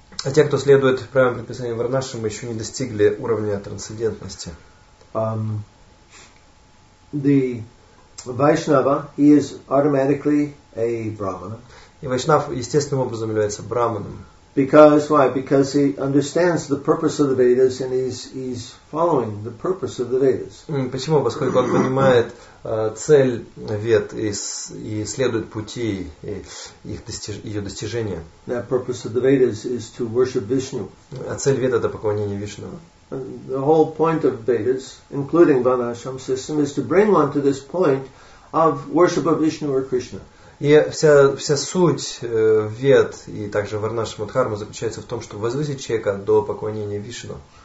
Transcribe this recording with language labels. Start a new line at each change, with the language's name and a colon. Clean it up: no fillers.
Russian: А те, кто следует правилам предписания Варнашрама, еще не достигли уровня трансцендентности.
English: The Vaishnava, he is automatically a Brahmana.
Russian: И Вайшнав естественным образом является Брахманом.
English: Because why? Because he understands the purpose of the Vedas and he's following the purpose of the Vedas.
Russian: Почему? Поскольку он понимает цель Вед и следует пути и их ее достижения.
English: That purpose of the Vedas is to worship Vishnu.
Russian: А цель Вед — это поклонение Вишну.
English: The whole point of Vedas, including Vanashram system, is to bring one to this point of worship of Vishnu or Krishna.
Russian: И вся суть Вед и также Варнашрама Дхарма заключается в том, чтобы возвысить человека до поклонения Вишну.